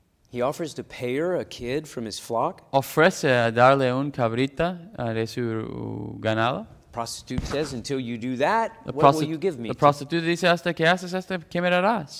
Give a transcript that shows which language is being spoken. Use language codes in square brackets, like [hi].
[en] He offers to pay her a kid from his flock. [es] Ofrece a darle un cabrita de su ganado. [en] Prostitute says, until you do that, what will you give me? The prostitute [es] dice, hasta que haces esto, ¿qué me darás?